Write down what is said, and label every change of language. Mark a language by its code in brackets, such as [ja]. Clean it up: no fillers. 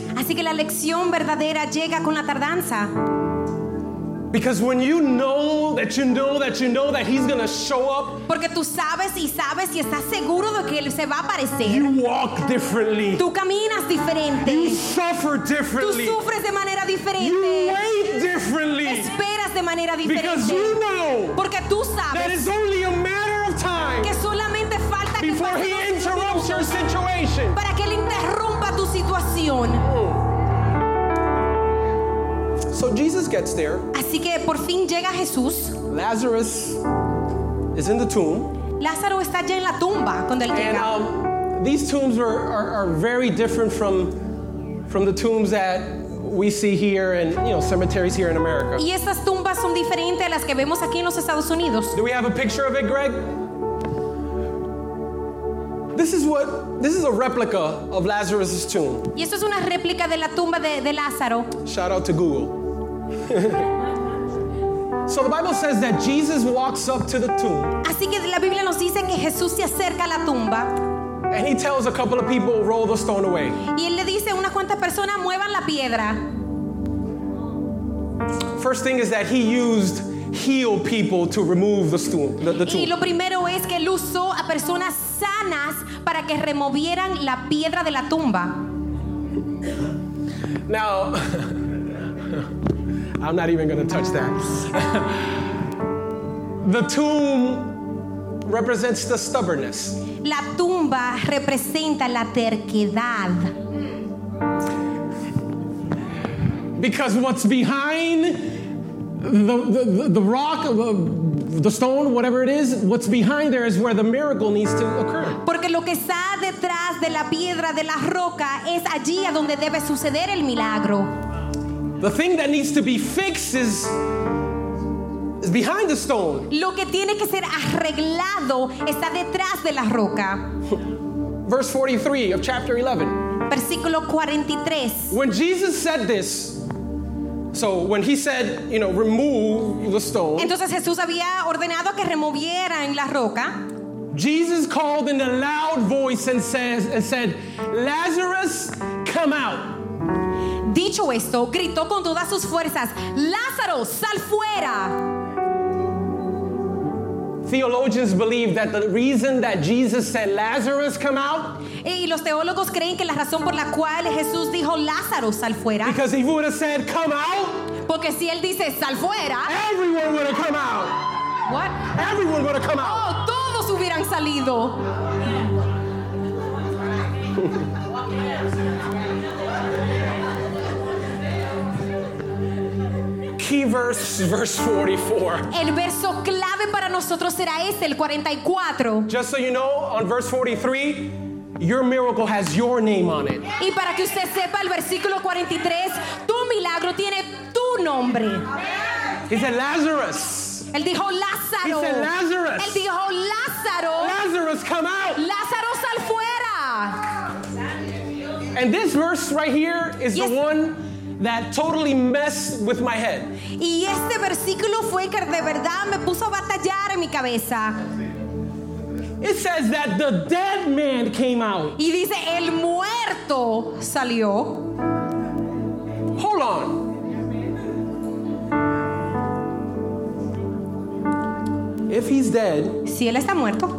[es] Así que la lección verdadera llega con la tardanza. [en] Because when you know that you know that you know that he's going to show up, [es] porque tú sabes y sabes y estás seguro de que él se va a aparecer, [en] you walk differently. [es] Tú caminas diferente. [en] You suffer differently. [es] Tú sufres de manera diferente. [en] You wait differently. [es] Esperas de manera diferente. [en] Because you know, [es] porque tú sabes, [en] that it's only a matter of time [es] que solamente falta [en] before [es] que [en] he interrupts your situation. [es] Para que él interrumpa tu situación. [en] So Jesus gets there. [es] Así que por fin llega Jesús. [en] Lazarus is in the tomb. [es] Lázaro está ya en la tumba cuando él llega. [en] And these tombs are very different from the tombs that we see here in, you know, cemeteries here in America. [es] Y estas tumbas son diferentes a las que vemos aquí en los Estados Unidos. [en] Do we have a picture of it, Greg? This is a replica of Lazarus' tomb. [es] Y esto es una réplica de la tumba de Lázaro. [en] Shout out to Google. So the Bible says that Jesus walks up to the tomb. [es] Así que la Biblia nos dice que Jesús se acerca a la tumba. [en] And he tells a couple of people, roll the stone away. [es] Y él le dice a unas cuantas personas, muevan la piedra. [en] First thing is that he used heal people to remove the tomb. [es] Y lo primero es que él usó a personas sanas para que removieran la piedra de la tumba. [en] Now, I'm not even going to touch that. The tomb represents the stubbornness. [es] La tumba representa la terquedad. [en] Because what's behind the rock, the stone, whatever it is, what's behind there is where the miracle needs to occur. [es] Porque lo que está detrás de la piedra, de la roca, es allí a donde debe suceder el milagro. [en] The thing that needs to be fixed is is behind the stone. [es] Lo que tiene que ser arreglado está detrás de la roca. [en] Verse 43 of chapter 11. [es] Versículo 43. [en] When Jesus said this, so when he said, you know, remove the stone. [es] Entonces Jesús había ordenado que removieran la roca. [en] Jesus called in a loud voice and said, Lazarus, come out. [es] Dicho esto, gritó con todas sus fuerzas, Lázaro, sal fuera. [en] Theologians believe that the reason that Jesus said Lazarus come out. [es] Y los teólogos creen que la razón por la cual Jesús dijo Lázaro sal fuera. [en] Because if he would have said come out. [es] Porque si él dice sal fuera. [en] Everyone would have come out. What? Everyone would have come out. [es] Oh, todos hubieran salido. [en] Key verse 44. [es] El verso clave para nosotros será este, el 44. [en] Just so you know, on verse 43, your miracle has your name on it. [es] Y para que usted sepa, el versículo 43, tu milagro tiene tu nombre. [en] He said Lazarus. [es] Él dijo Lázaro. [en] He said Lazarus. [es] Él dijo Lázaro. [en] Lazarus, come out. [es] Lázaro, sal fuera. [en] And this verse right here is the one that totally messed with my head. [es] Y este versículo fue que de verdad me puso a batallar en mi cabeza. [en] It says that the dead man came out. [es] Y dice el muerto salió. [en] Hold on. If he's dead, [es] si él está muerto,